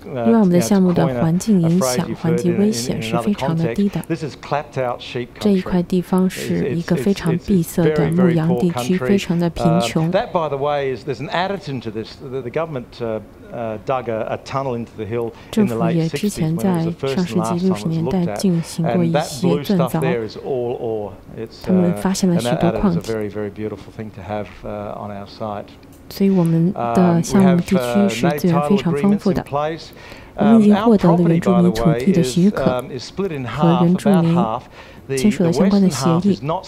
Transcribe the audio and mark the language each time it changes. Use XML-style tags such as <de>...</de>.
<zh>因为我们的项目的环境影响、环境危险是非常的低的。</zh> <en>This is clapped out sheep country.</en> <zh>这一块地方是一个非常闭塞的牧羊地区，非常的贫穷。</zh> <en>That, by the way, is there's an additive to this. The government dug a tunnel into the hill in the late 60s.</en> <zh>政府也之前在上世纪六十年代进行过一些钻凿。</zh> <en>That blue stuff there is all ore. It's</en> <zh>他们发现了许多矿体。</zh> <en>A very, very beautiful thing to have on our site.</en> <zh>所以我们的项目地区是资源非常丰富的。我们已经获得了原住民土地的许可和原住民签署了相关的协议。</zh>